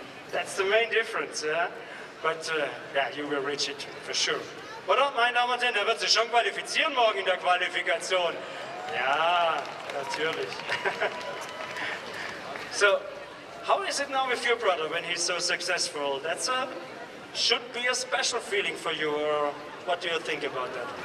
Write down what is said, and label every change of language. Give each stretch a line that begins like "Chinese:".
English: That's the main difference, yeah. But yeah, you will reach it for sure.
German: Oder, meine Damen und Herren, er wird sich schon qualifizieren morgen in der Qualifikation. Ja, natürlich.
English: So. How is it now with your brother when he's so successful? That's a should be a special feeling for you, or what do you think about that?